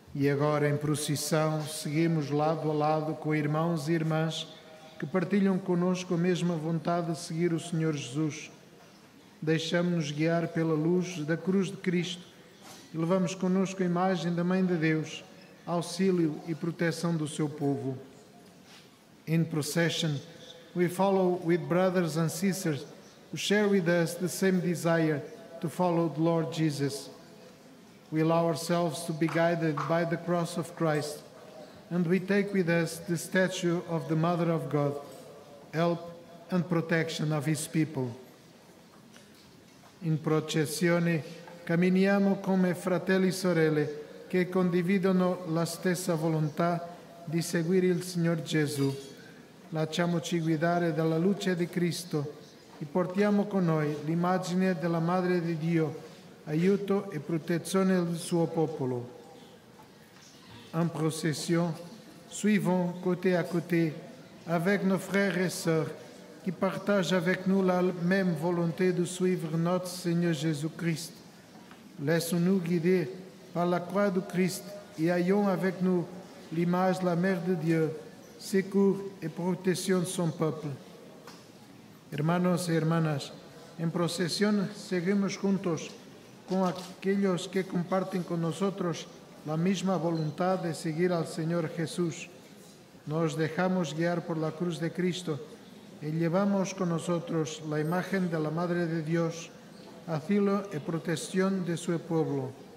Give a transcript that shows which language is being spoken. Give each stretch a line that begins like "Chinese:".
Portuguese: Agora, em procissão, seguimos lado a lado com irmãos e irmãs que partilham connosco a mesma vontade de seguir o Senhor Jesus. Deixamos-nos guiar pela luz da cruz de Cristo e levamos connosco a imagem da Mãe de Deus, auxílio e proteção do seu povo.
English: In procession, we follow with brothers and sisters who share with us the same desire to follow the Lord Jesus. We allow ourselves to be guided by the cross of Christ, and we take with us the statue of the Mother of God, help and protection of His people.
Italian: In processione camminiamo come fratelli e sorelle che condividono la stessa volontà di seguire il Signor Gesù. Lasciamoci guidare dalla luce di Cristo e portiamo con noi l'immagine della Madre di Dio, aiuto e protezione del suo popolo.
French: En procession, suivons côté à côté avec nos frères et sœurs qui partage avec nous la même volonté de suivre notre Seigneur Jésus-Christ. Laissons-nous guider par la croix du Christ et ayons avec nous l'image de la Mère de Dieu, secours et protection de son peuple.
Spanish: Hermanos y hermanas, en procesión seguimos juntos con aquellos que comparten con nosotros la misma voluntad de seguir al Señor Jesús. Nos dejamos guiar por la cruz de Cristo y llevamos con nosotros la imagen de la Madre de Dios, asilo y protección de su pueblo.